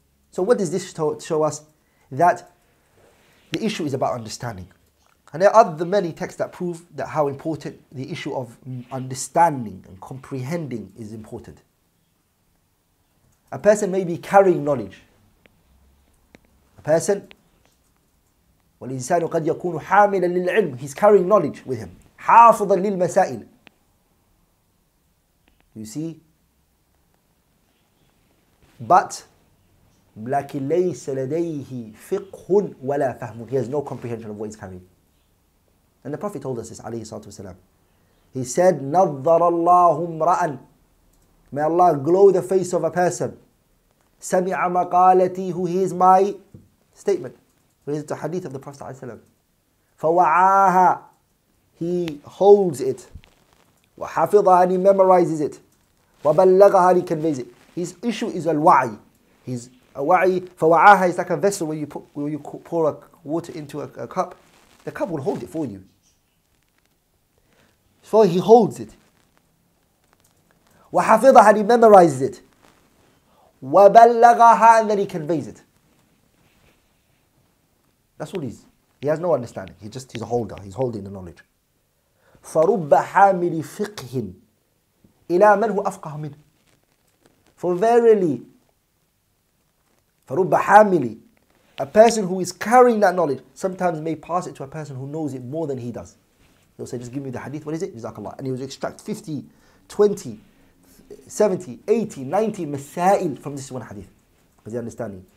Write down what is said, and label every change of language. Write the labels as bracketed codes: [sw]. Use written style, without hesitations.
[en] So what does this show us? That the issue is about understanding. And there are the many texts that prove that how important the issue of understanding and comprehending is important. A person may be carrying knowledge. A person, [ar] وَالْإِنسَانُ قَدْ يَكُونُ حَامِلًا لِلْعِلْمِ. [en] He's carrying knowledge with him. [ar] حَافِظًا لِلْمَسَائِلِ. [en] You see? But [ar] لَكِنْ لَيْسَ لَدَيْهِ فِقْهٌ وَلَا فَهْمٌ. [en] He has no comprehension of what he's carrying. And the Prophet told us this, [ar] عليه الصلاة والسلام. [en] He said, [ar] نَظَّرَ اللَّهُ امْرَأً. [en] May Allah glow the face of a person. [ar] سَمِعَ مَقَالَتِي. [en] Who hears my statement. Related to hadith of the Prophet [ar] عليه الصلاة. فَوَعَاهَا. [en] He holds it. [ar] وَحَفِظَهَا. [en] And he memorizes it. [ar] وَبَلَّغَهَا. [en] And he conveys it. His issue is al-wa'i. His wa'i. فَوَعَاهَا. It's like a vessel where you pour a water into a cup. The cup will hold it for you. So he holds it. [ar] وحفظها, [en] and he memorizes it. [ar] وبلغها, [en] and then he conveys it. That's what he is. He has no understanding. He's a holder. He's holding the knowledge. [ar] فرب حامل فقه إلى من هو أفقه منه. [en] For verily, [ar] فرب حامل. [en] A person who is carrying that knowledge sometimes may pass it to a person who knows it more than he does. He'll say, just give me the hadith, what is it? Jazakallah. And he will extract 50, 20, 70, 80, 90 masail from this one hadith. Because he's understanding.